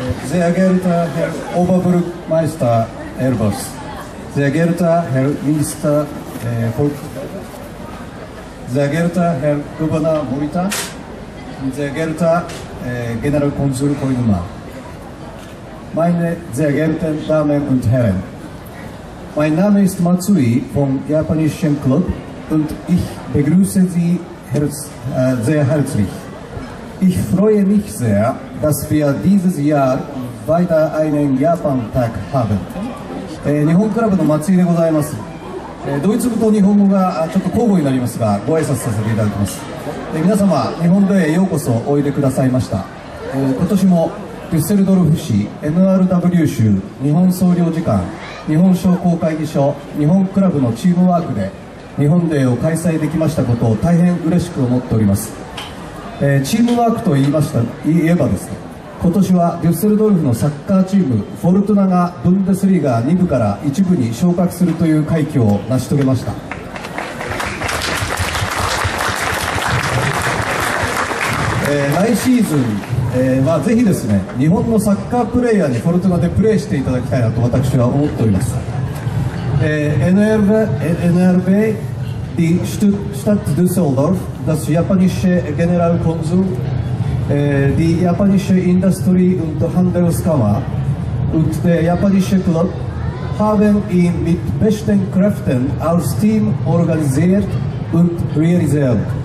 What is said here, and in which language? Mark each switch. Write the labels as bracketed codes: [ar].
[de] Sehr geehrter Herr Oberbürgermeister Erbers, sehr geehrter Herr Minister Hulk, sehr geehrter Herr Gouverneur Morita, sehr geehrter Generalkonsul Koizuma, meine sehr geehrten Damen und Herren, mein Name ist Matsui vom Japanischen Club und ich begrüße Sie sehr herzlich. Ich freue mich sehr, dass wir dieses Jahr weiter einen Japan-Tag haben. [ja] 日本クラブの松井でございます。ドイツ語と日本語がちょっと交互になりますが、ご挨拶させていただきます。皆様、日本でようこそおいでくださいました。今年もデュッセルドルフ市、NRW 州、日本総領事館、日本商工会議所、日本クラブのチームワークで日本デーを開催できましたことを大変嬉しく思っております。チームワークと言えばですね、今年はデュッセルドルフのサッカーチームフォルトナがブンデスリーガー2部から1部に昇格するという快挙を成し遂げました。来シーズンまあ、ぜひですね、日本のサッカープレーヤーにフォルトナでプレーしていただきたいなと私は思っております。 [de] NRB die Stadt Düsseldorf, das japanische Generalkonsul, die japanische Industrie und Handelskammer und der japanische Club haben ihn mit besten Kräften als Team organisiert und realisiert.